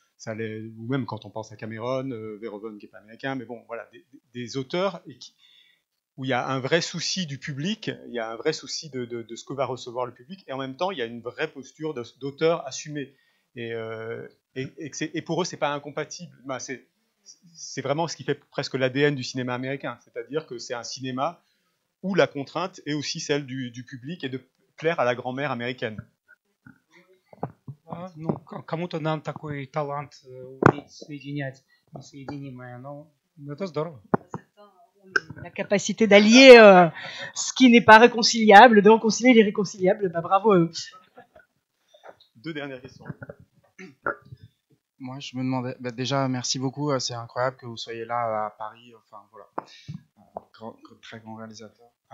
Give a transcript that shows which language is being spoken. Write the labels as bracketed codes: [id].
[fr] Ça allait, ou même quand on pense à Cameron, Verhoeven qui n'est pas américain, mais bon, voilà, des auteurs où il y a un vrai souci du public, il y a un vrai souci de ce que va recevoir le public, et en même temps, il y a une vraie posture d'auteur assumé. Et pour eux, ce n'est pas incompatible. Ben, c'est vraiment ce qui fait presque l'ADN du cinéma américain, c'est-à-dire que c'est un cinéma où la contrainte est aussi celle du public et de plaire à la grand-mère américaine. [ru] Ну, кому-то нам такой талант уметь соединять несоединимое, но это здорово. [fr] La capacité d'allier ce qui n'est pas réconciliable, de réconcilier l'irréconciliable, bah, bravo. Deux dernières questions. Moi, je me demandais, bah, déjà, merci beaucoup, c'est incroyable que vous soyez là à Paris, enfin voilà, très grand réalisateur.